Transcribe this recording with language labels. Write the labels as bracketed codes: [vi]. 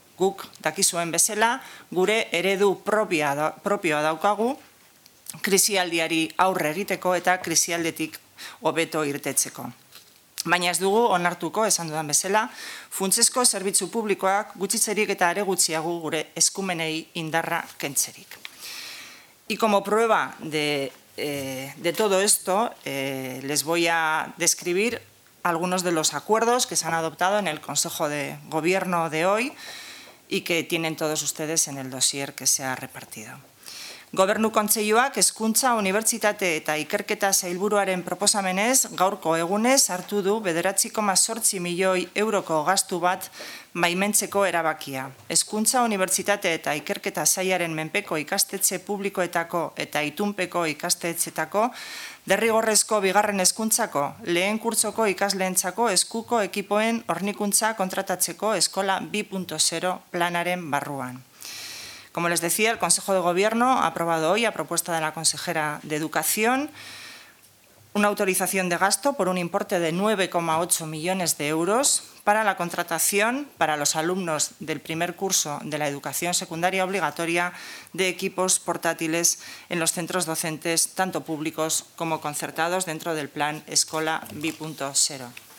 [eu] Guk dakizuen bezala, gure eredu propioa daukagu, krisialdiari aurre egiteko eta krisialdetik hobeto irtetzeko. Baina ez dugu onartuko, esan dudan bezala, funtsezko zerbitzu publikoak gutxitzerik eta are gutxiago gure eskumenei indarra kentzerik. [es] Y como prueba de todo esto, les voy a describir algunos de los acuerdos que se han adoptado en el Consejo de Gobierno de hoy y que tienen todos ustedes en el dossier que se ha repartido. [eu] Gobernu Kontseiluak Hezkuntza, Unibertsitate eta Ikerketa Sailburuaren proposamenez gaurko egunez hartu du 9,8 milioi euroko gastu bat baimentzeko erabakia. Hezkuntza, Unibertsitate eta Ikerketa Sailaren menpeko ikastetxe publikoetako eta itunpeko ikastetxetako derrigorrezko bigarren hezkuntzako lehen kurtzoko ikasleentzako eskuko ekipoen hornikuntza kontratatzeko Eskola 2.0 planaren barruan. [es] Como les decía, el Consejo de Gobierno ha aprobado hoy, a propuesta de la consejera de Educación, una autorización de gasto por un importe de 9,8 millones de euros para la contratación para los alumnos del primer curso de la educación secundaria obligatoria de equipos portátiles en los centros docentes, tanto públicos como concertados, dentro del plan Escola 2.0.